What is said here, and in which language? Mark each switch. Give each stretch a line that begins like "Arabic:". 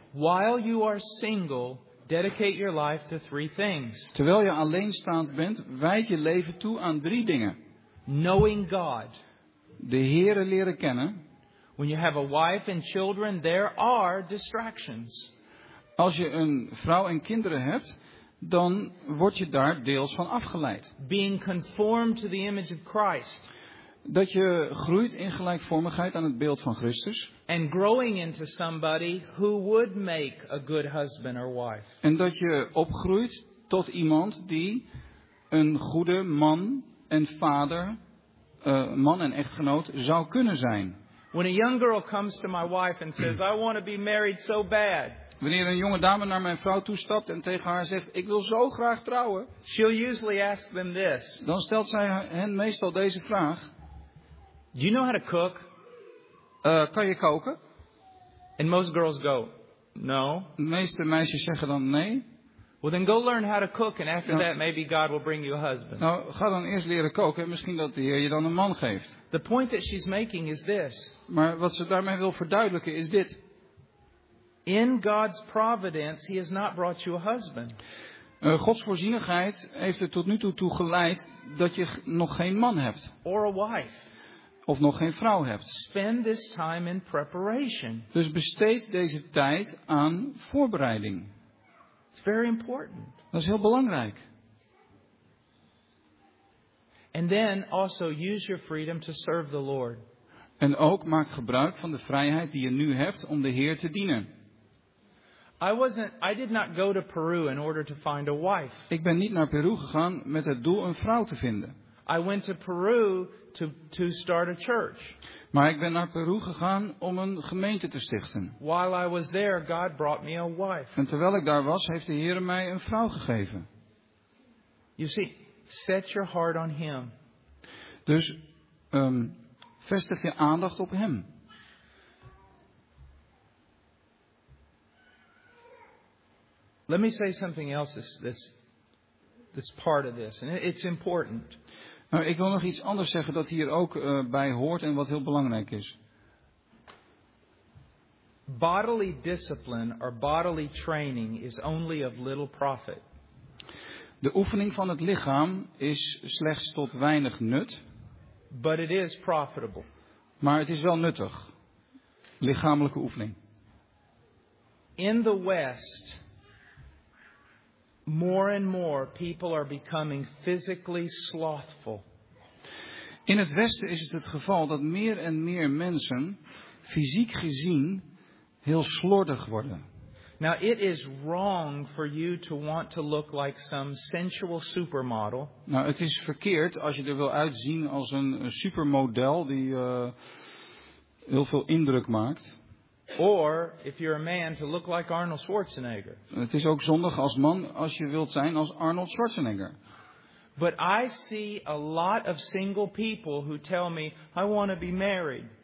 English: While you are single, dedicate your life to three things.
Dutch: Terwijl je alleenstaand bent, wijd je leven toe aan drie dingen.
English: Knowing God.
Dutch: De Heere leren kennen.
English: When you have a wife and children, there are distractions.
Dutch: Als je een vrouw en kinderen hebt, dan word je daar deels van afgeleid.
English: Being conformed to the image of Christ.
Dutch: Dat je groeit in gelijkvormigheid aan het beeld van Christus.
English: And growing into somebody who would make a good husband or wife.
Dutch: En dat je opgroeit tot iemand die een goede man en vader, man en echtgenoot zou kunnen zijn.
English: When a young girl comes to my wife and says, I want to be married so bad.
Dutch: Wanneer een jonge dame naar mijn vrouw toestapt en tegen haar zegt, ik wil zo graag trouwen.
English: She'll usually ask them this.
Dutch: Dan stelt zij hen meestal deze vraag.
English: Do you know how to cook?
Dutch: Kan je koken?
English: And most girls go, no.
Dutch: De meeste meisjes zeggen dan nee.
English: Well then go learn how to cook and after that maybe God will bring you a husband.
Dutch: Nou, ga dan eerst leren koken en misschien dat de Heer je dan een man geeft.
English: The point that she's making is this.
Dutch: Maar wat ze daarmee wil verduidelijken is dit.
English: In God's providence he has not brought you a husband.
Dutch: Gods voorzienigheid heeft er tot nu toe toe geleid dat je nog geen man hebt.
English: Or a wife.
Dutch: Of nog geen vrouw hebt.
English: Spend this time in preparation.
Dutch: Dus besteed deze tijd aan voorbereiding.
English: It's very important.
Dutch: Dat is heel belangrijk.
English: And then also use your freedom to serve the Lord.
Dutch: En ook maak gebruik van de vrijheid die je nu hebt om de Heer te dienen.
English: I did not go to Peru in order to find a wife.
Dutch: Ik ben niet naar Peru gegaan met het doel een vrouw te vinden.
English: I went to Peru to start a church.
Dutch: Maar ik ben naar Peru gegaan om een gemeente te stichten.
English: While I was there, God brought me a wife.
Dutch: En terwijl ik daar was, heeft de Heer mij een vrouw gegeven.
English: You see, set your heart on him.
Dutch: Dus vestig je aandacht op hem.
English: Let me say something else that's part of this, and it's important.
Dutch: Nou, ik wil nog iets anders zeggen dat hier ook bij hoort en wat heel belangrijk is.
English: Bodily discipline or bodily training is only of little profit.
Dutch: De oefening van het lichaam is slechts tot weinig nut.
English: But it is profitable.
Dutch: Maar het is wel nuttig. Lichamelijke oefening.
English: In the West, more and more people are becoming physically slothful.
Dutch: In het Westen is het het geval dat meer en meer mensen fysiek gezien heel slordig worden.
English: Now it is wrong for you to want to look like some sensual supermodel.
Dutch: Nou, het is verkeerd als je er wil uitzien als een supermodel die heel veel indruk maakt.
English: Or if you're a man to look like Arnold Schwarzenegger.
Dutch: Het is ook zondig als man als je wilt zijn als Arnold Schwarzenegger.
English: But I see a lot of single people who tell me I want to be married.